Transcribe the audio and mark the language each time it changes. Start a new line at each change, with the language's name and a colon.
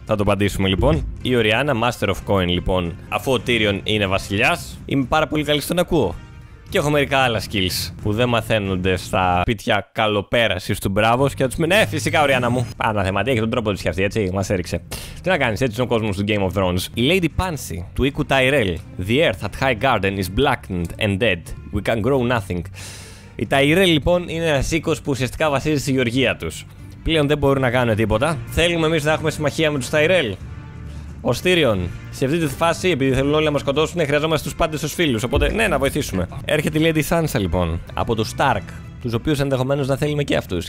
Greek: Θα το απαντήσουμε λοιπόν. Η Οριάννα, Master of Coin λοιπόν. Αφού ο Τύριον είναι βασιλιάς, είμαι πάρα πολύ καλή στο να ακούω. Και έχω μερικά άλλα skills που δεν μαθαίνονται στα σπίτια καλοπέρασης του Μπράβος και να τους πει: ναι, φυσικά, Οριάννα μου. Πάνω θεματί, έχει τον τρόπο της σκεφτεί, έτσι, μας έριξε. Τι να κάνεις, έτσι είναι ο κόσμος του Game of Thrones. Η Lady Pansy του οίκου Tyrell.
English: The earth at High Garden is blackened and dead. We can grow nothing.
Greek: Η Tyrell λοιπόν είναι ένας οίκος που ουσιαστικά βασίζεται στη γεωργία τους. Πλέον δεν μπορούν να κάνουν τίποτα. Θέλουμε εμείς να έχουμε συμμαχία με τους Tyrell. Ο Τύριον, σε αυτή τη φάση, επειδή θέλουν όλοι να μας σκοτώσουν, χρειαζόμαστε τους πάντες τους φίλους. Οπότε, ναι, να βοηθήσουμε. Έρχεται η Lady Sansa, λοιπόν, από τους Stark, τους οποίους ενδεχομένως να θέλουμε και αυτούς.